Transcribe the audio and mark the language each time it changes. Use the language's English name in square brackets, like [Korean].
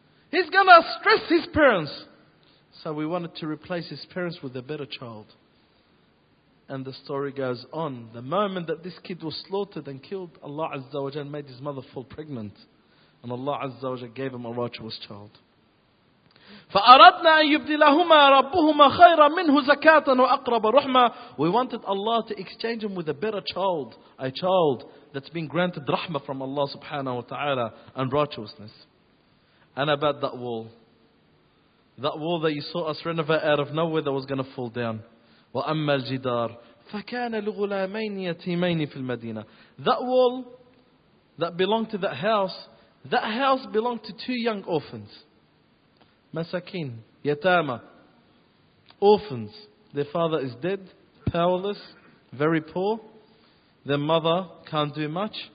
[English] He's going to stress his parents. So we wanted to replace his parents with a better child. And the story goes on. The moment that this kid was slaughtered and killed, Allah Azza wa Jalla made his mother fall pregnant. And Allah Azza wa Jalla gave him a righteous child. [Arabic] فأردنا أن يبدلهما ربهما خيرا منه زكاة وأقرب رحمة. [English] We wanted Allah to exchange him with a better child, a child that's been granted rahmah from Allah subhanahu wa ta'ala and righteousness. And about that wall that you saw us renovate out of nowhere that was going to fall down. [Arabic] وأما الجدار فكان لغلامين يتيمين في المدينة. [English] That wall that belonged to that house belonged to two young orphans. Masakin, yatama, orphans. Their father is dead, powerless, very poor. Their mother can't do much.